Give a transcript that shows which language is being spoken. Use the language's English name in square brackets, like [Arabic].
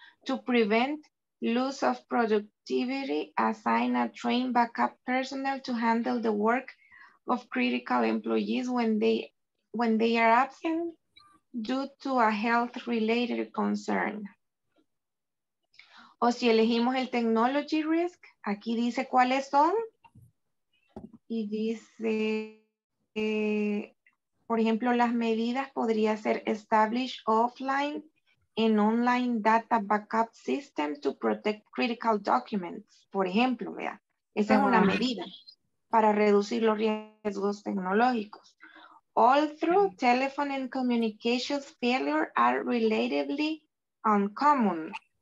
[English] To prevent loss of productivity, assign a trained backup personnel to handle the work of critical employees when they are absent due to a health-related concern. [Spanish] O si elegimos el technology risk, aquí dice cuáles son. Y dice, por ejemplo, las medidas podría ser [English] establish offline an online data backup system to protect critical documents. [Spanish] Por ejemplo, vea, esa es una medida para reducir los riesgos tecnológicos. [English] Also, telephone and communications failure are relatively uncommon.